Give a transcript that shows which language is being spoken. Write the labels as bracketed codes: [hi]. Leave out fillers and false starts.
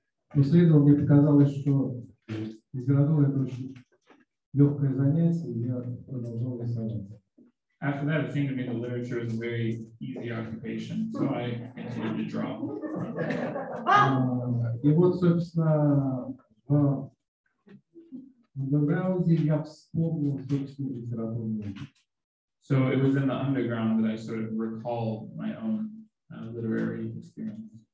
[ru] После этого мне показалось, что литература это очень легкое занятие, и я продолжал рисовать. [en] After that, it seemed to me that literature is a very easy occupation, so I continued to draw. [ru] И вот, собственно, в андеграунде я вспомнил собственную литературу. [en] So it was in the underground that I sort of recall my own literary experience.